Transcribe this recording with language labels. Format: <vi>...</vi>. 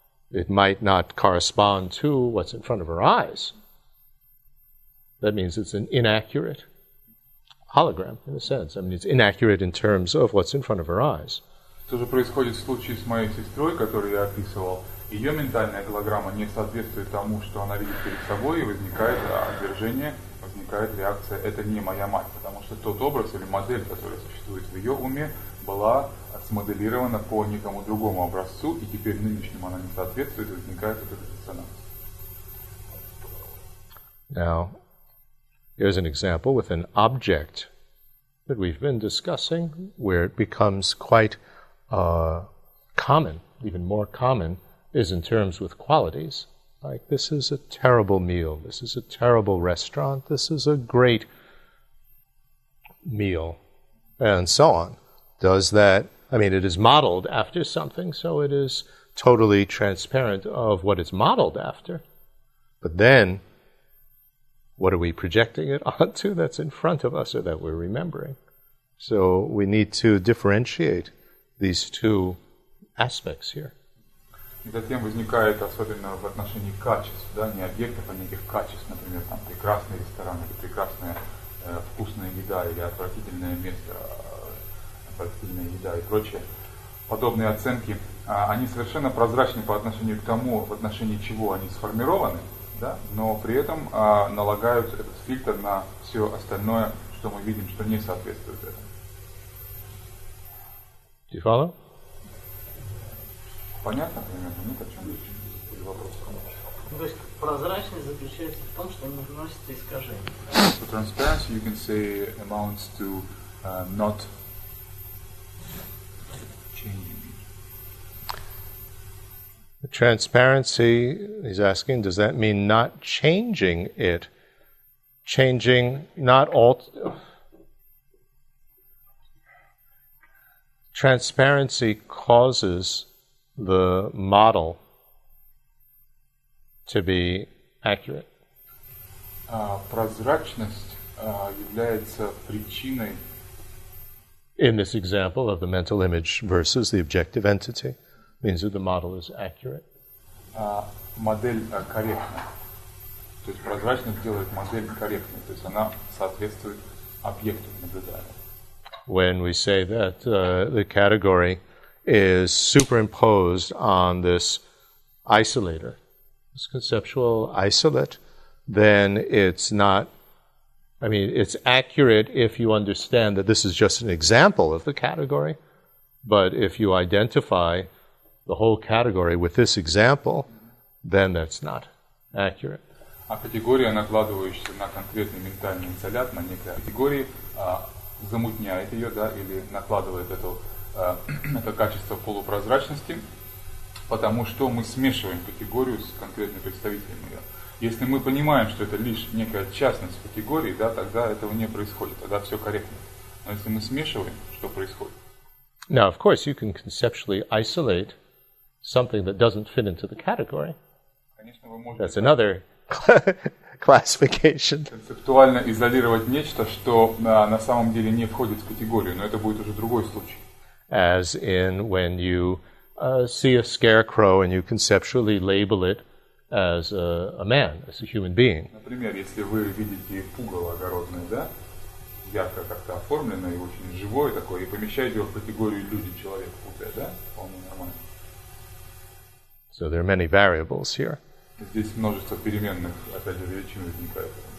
<en>it might not correspond to what's in front of her eyes. That means it's an inaccurate hologram, in a sense. I mean, it's inaccurate in terms of what's in front of her eyes.</en> <ru>То же происходит в случае с моей сестрой, которую я описывал. Ее ментальная голограмма не соответствует тому, что она видит перед собой, и возникает отвержение, возникает реакция. Это не моя мать, потому что тот образ или модель, которая существует в ее уме, была смоделирована по некому другому образцу, и теперь нынешнему она не соответствует, и возникает этот диссонанс.</ru> <en>Now, here's an example with an object that we've been discussing, where it becomes quite common, even more common, is in terms with qualities. Like, this is a terrible meal, this is a terrible restaurant, this is a great meal, and so on. Does that, I mean, it is modeled after something, so it is totally transparent of what it's modeled after. But then, what are we projecting it onto that's in front of us or that we're remembering? So we need to differentiate these two aspects here.</en> <ru>И затем возникает, особенно в отношении качеств, да, не объектов, а неких качеств, например, там прекрасный ресторан, или прекрасная вкусная еда, или отвратительное место, отвратительная еда и прочее. Подобные оценки, они совершенно прозрачны по отношению к тому, в отношении чего они сформированы, да, но при этом налагают этот фильтр на все остальное, что мы видим, что не соответствует этому.</ru> <en>Do you follow?</en> <ru>Понятно, примерно, нет, о чем речь. Вопрос. Ну, то есть прозрачность заключается в том, что не вносит искажения.</ru> <en>So transparency, you can say, amounts to not changing. The transparency, he's asking, does that mean not changing it? Changing, not transparency causes the model to be accurate.</en> <ru>Прозрачность является причиной.</ru> <en>In this example of the mental image versus the objective entity, means that the model is accurate.</en> <ru>Модель корректна. То есть прозрачность делает модель корректной, то есть она соответствует объекту наблюдаемого.</ru> <en>When we say that the category is superimposed on this isolator, this conceptual isolate, then it's not, I mean, it's accurate if you understand that this is just an example of the category, but if you identify the whole category with this example, then that's not accurate.</en> <ru>А категория, накладывающаяся на конкретный ментальный изолят, на некой категории, замутняет ее, да, или накладывает это качество полупрозрачности, потому что мы смешиваем категорию с конкретным представителем ее. Если мы понимаем, что это лишь некая частность категории, да, тогда этого не происходит, тогда все корректно. Но если мы смешиваем, что происходит?</ru> <en>Now, of course, you can conceptually isolate something that doesn't fit into the category.</en> <ru>Конечно, вы можете.</ru> <en>That's another classification.</en> <ru>Концептуально изолировать нечто, что на самом деле не входит в категорию, но это будет уже другой случай.</ru> <en>As in when you see a scarecrow and you conceptually label it as a man, as a human being.</en> <ru>Например, если вы видите пугало огородное, да, ярко как-то оформленное и очень живое такое, и помещаете его в категорию люди, человек, пугало, да, вполне нормально.</ru> <en>So there are many variables here.</en> <ru>Здесь множество переменных, опять же, величин возникает.</ru>